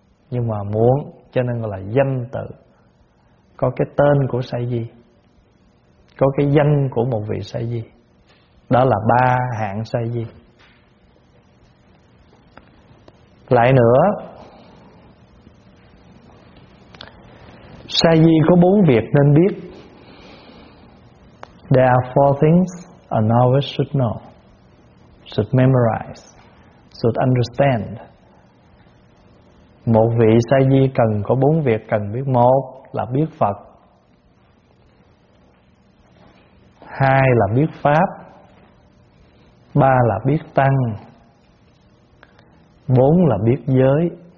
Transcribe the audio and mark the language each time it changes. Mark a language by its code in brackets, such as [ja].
[vi] Nhưng mà muốn, cho nên gọi là danh tự. Có cái tên của sa di, có cái danh của một vị sa di. Đó là ba hạng sa di. Lại nữa, sa di có bốn việc nên biết. [en] There are four things a novice should know, should memorize, should understand. [vi] Một vị sa di cần có bốn việc cần biết. Một là biết Phật. Hai là biết Pháp. Ba là biết Tăng. Bốn là biết giới.